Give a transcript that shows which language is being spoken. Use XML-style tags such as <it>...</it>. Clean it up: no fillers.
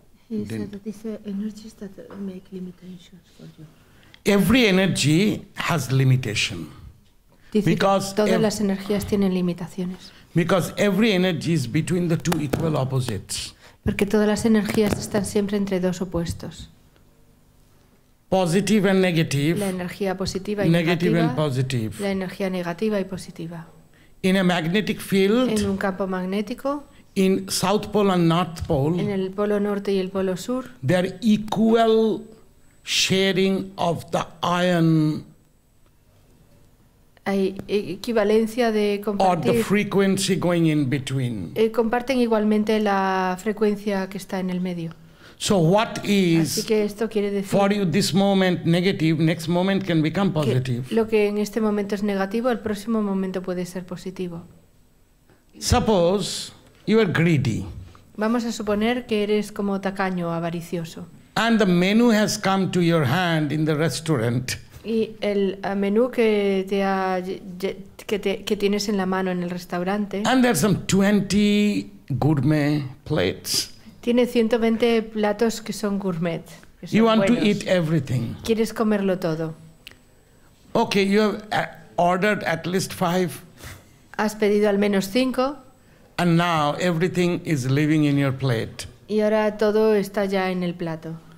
<en>He said that these are energies that make limitations for you. Every energy has limitation.</en> <es>Dice because todas las energías tienen limitaciones.</es> <en>Because every energy is between the two equal opposites.</en> <es>Porque todas las energías están siempre entre dos opuestos.</es> <en>Positive and negative.</en> <es>La energía positiva y</es> <en>negative</en> <es>negativa.</es> <en>And positive.</en> <es>La energía negativa y positiva.</es> <en>In a magnetic field.</en> <es>En un campo magnético.</es> <en>In South Pole and North Pole.</en> <es>En el polo norte y el polo sur.</es> <en>They are equal. Sharing of the iron.</en> <es>Hay equivalencia de compartir.</es> <en>Or the frequency going in between.</en> <es>Comparten igualmente la frecuencia que está en el medio.</es> <en>So what is?</en> <es>Así que esto quiere decir.</es> <en>For you this moment negative, next moment can become positive.</en> <es>Lo que en este momento es negativo, el próximo momento puede ser positivo.</es> <en>Suppose you are greedy.</en> <es>Vamos a suponer que eres como tacaño, avaricioso.</es> <en>And the menu has come to your hand in the restaurant.</en> <es>Y el menú que tienes en la mano en el restaurante.</es> <en>And there's some 20 gourmet plates.</en> <es>Tiene 120 platos que son gourmet.</es> <en>You want to eat everything.</en> <es>Quieres comerlo todo.</es> <en>Okay, you have ordered at least 5.</en> <es>Has pedido al menos 5.</es> <en>And now everything is living in your plate.</en> <es>Y ahora todo está ya en el plato.</es>